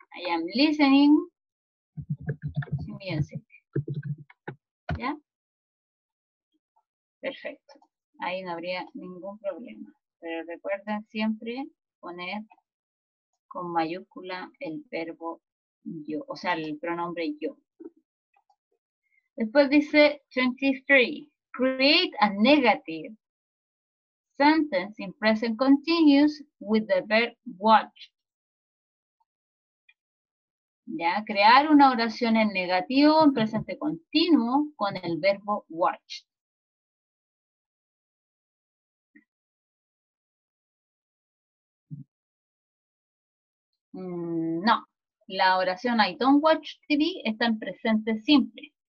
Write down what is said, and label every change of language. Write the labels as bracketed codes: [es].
[en] I am listening. [es] Fíjense. ¿Ya? Perfecto. Ahí no habría ningún problema. Pero recuerden siempre poner con mayúscula el verbo yo, o sea, el pronombre yo. Después dice 23. [en] Create a negative sentence in present continuous with the verb watch. [es] ¿Ya? Crear una oración en negativo, en presente continuo, con el verbo watch. No, la oración [en] I don't watch TV [es] está en presente simple.